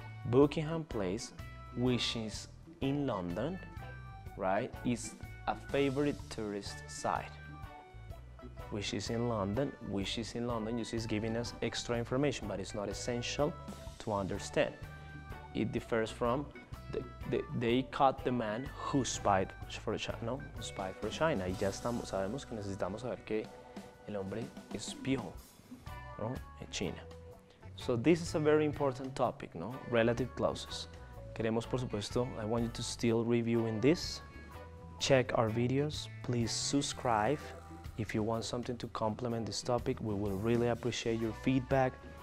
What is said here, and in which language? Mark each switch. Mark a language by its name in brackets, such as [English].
[English] Buckingham Place, which is in London, right, is a favorite tourist site. Which is in London, which is in London, you see, it's giving us extra information, but it's not essential to understand. It differs from, they caught the man who spied for China, no, who spied for China. [Spanish] Y ya estamos, sabemos que necesitamos saber que el hombre espió, ¿no? En China. [English] So this is a very important topic, no? Relative clauses. [Spanish] Queremos, por supuesto, [English] I want you to still review in this. Check our videos. Please subscribe. If you want something to complement this topic, we will really appreciate your feedback.